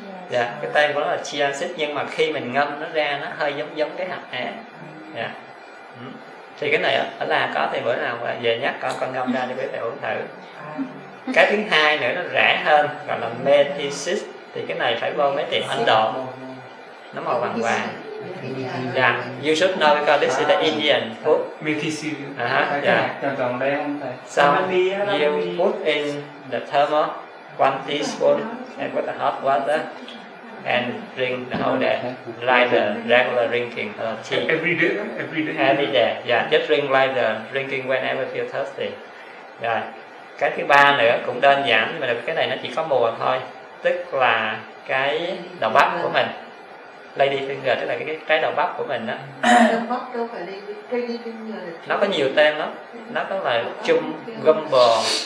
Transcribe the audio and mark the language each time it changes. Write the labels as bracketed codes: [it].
[vi] Dạ, cái tên của nó là chia seed, nhưng mà khi mình ngâm nó ra nó hơi giống giống cái hạt é. Dạ. Thì cái này ở là có, thì bữa nào về nhắc con ngâm ra cho quý vị uống thử. Cái thứ hai nữa nó rẻ hơn, gọi là methysis. Thì cái này phải vô mấy tiệm Ấn Độ, nó màu vàng vàng. [en] Dạ, you should know because this is the Indian food. Methysis. [vi] Dạ. Còn đây không thầy? [en] So, you put in the thermos, 1 teaspoon, and with the hot water, and drink the whole day, like the regular drinking tea. Every day. Yeah, just drink like the drinking whenever feel thirsty. [vi] Rồi, yeah. Cái thứ ba nữa cũng đơn giản, nhưng mà cái này nó chỉ có mùa thôi, tức là cái đậu bắp của mình. Lady finger, tức là cái trái đậu bắp của mình đó. Đậu bắp đâu phải lady finger. Nó có nhiều tên lắm. Nó có là chum gumbo.